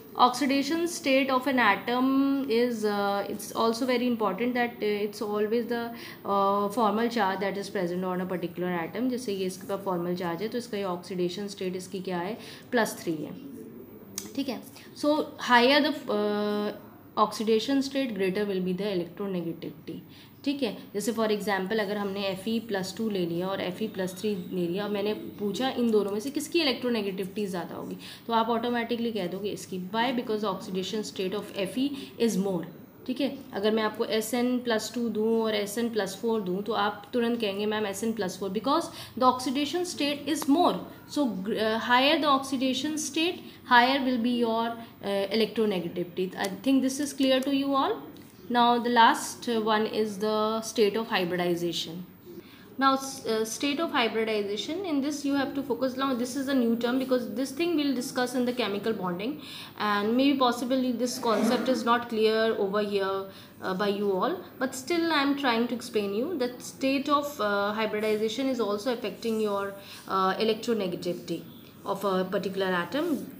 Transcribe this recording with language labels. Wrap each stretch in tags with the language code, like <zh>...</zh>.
<en>Oxidation state of an atom is it's also very important, that it's always the formal charge that is present on a particular atom.</en> <hi>जैसे ये इसके पास formal charge है, तो इसका ये oxidation state इसकी क्या है? +3 है. ठीक है.</hi> <en>So higher the oxidation state, greater will be the electronegativity.</en> <hi>ठीक है. जैसे फॉर एग्जांपल अगर हमने Fe+2 ले लिया और Fe+3 ले लिया, और मैंने पूछा इन दोनों में से किसकी इलेक्ट्रोनेगेटिविटी ज़्यादा होगी, तो आप ऑटोमेटिकली कह दोगे इसकी. Y?</hi> <en>Because oxidation state of Fe is more.</en> <hi>ठीक है, अगर मैं आपको SN+2 दूँ और SN+4 दूँ, तो आप तुरंत कहेंगे ma'am SN+4,</hi> <en>Because the oxidation state is more. So higher the oxidation state, higher will be your electronegativity. I think this is clear to you all. Now the last one is the state of hybridization. Now state of hybridization, in this you have to focus. Now this is a new term, because this thing we'll discuss in the chemical bonding, and maybe possibly this concept is not clear over here by you all, but still I'm trying to explain you that state of hybridization is also affecting your electronegativity of a particular atom.</en>